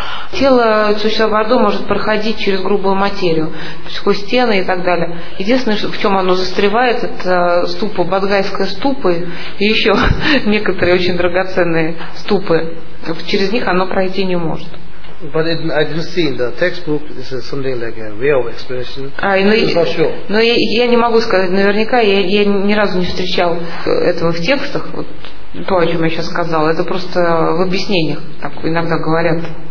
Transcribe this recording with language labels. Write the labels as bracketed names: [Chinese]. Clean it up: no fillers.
[Russian] Тело существа Бардо может проходить через грубую материю, сквозь стены и так далее. Единственное, в чем оно застревает, это ступа, бодгайская ступа и еще некоторые очень драгоценные ступы. Через них оно пройти не может. [English] But it, I didn't see in the textbook this is something like a way of explanation. [Russian] Но я не могу сказать наверняка, я ни разу не встречал этого в текстах, вот то, о чем я сейчас сказал. Это просто в объяснениях так иногда говорят.